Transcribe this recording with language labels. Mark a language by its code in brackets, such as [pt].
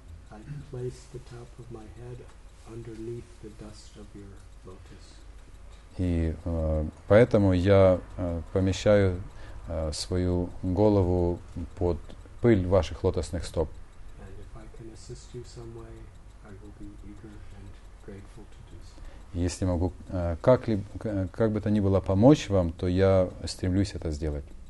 [en] I place the top of my head underneath the dust of your lotus. [ru] И поэтому я помещаю свою голову под пыль ваших лотосных стоп. [en] And if I can assist you some way, I will be eager and grateful to do so. [ru] Если могу как бы то ни было помочь вам, то я стремлюсь это сделать.